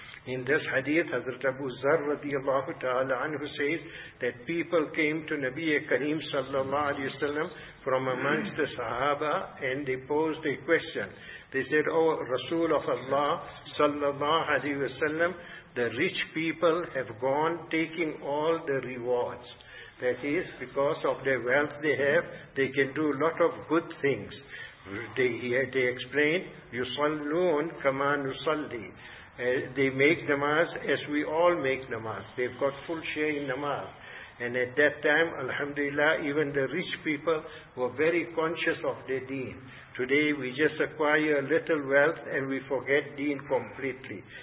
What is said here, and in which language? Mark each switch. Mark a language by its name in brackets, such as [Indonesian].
[English] In this hadith, Hazrat Abu Zar radiallahu ta'ala anhu says that people came to Nabi Kareem sallallahu alayhi wa sallam from amongst the Sahaba, and they posed a question. They said, O Rasul of Allah sallallahu alayhi wa sallam, the rich people have gone taking all the rewards. That is, because of the wealth they have, they can do a lot of good things. They explained, [Arabic] يُصَلُّون كَمَا نُصَلِّي. [English] They make namaz as we all make namaz. They've got full share in namaz. And at that time, alhamdulillah, even the rich people were very conscious of their deen. Today we just acquire a little wealth and we forget deen completely.